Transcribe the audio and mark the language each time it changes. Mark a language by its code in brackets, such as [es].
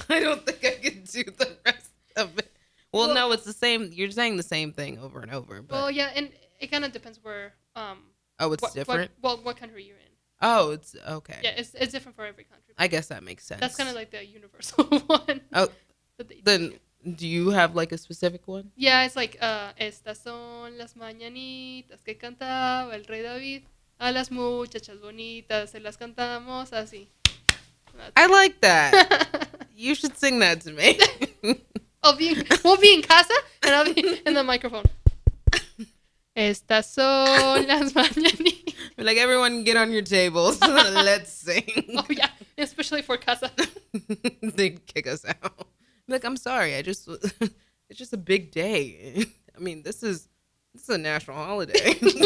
[en] I don't think I can do the rest of it. Well, no, it's the same. You're saying the same thing over and over. But. Well, yeah, and it kind of depends where. Different? What country you're in. Oh, it's okay. Yeah, it's different for every country. I guess that makes sense. That's kind of like the universal one. Oh, then do you have like a specific one? Yeah, it's like, [es] estas son las mañanitas que cantaba el Rey David a las muchachas bonitas, se las cantamos así. [en] I like that. You should sing that to me. We'll be in casa and I'll be in the microphone. [es] Estas son las mañanitas. [en] Like, everyone get on your tables. Let's sing. Oh, yeah. Especially for casa. They kick us out. Like, I'm sorry. It's just a big day. I mean, this is a national holiday.